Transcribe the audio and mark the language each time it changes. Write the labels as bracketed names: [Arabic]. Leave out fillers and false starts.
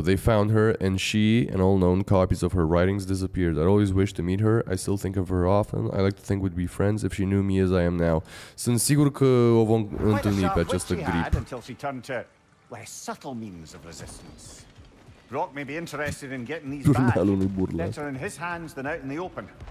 [English] They found her, and she and all known copies of her writings disappeared. I always wished to meet her. I still think of her often. I like to think we'd be friends if she knew me as I am now. [Romanian] Sunt sigur că o vom întâlni pe această grip. [English] Until she turned to less subtle means of resistance. Brock may be interested in getting these back. Better in his hands than out in the open.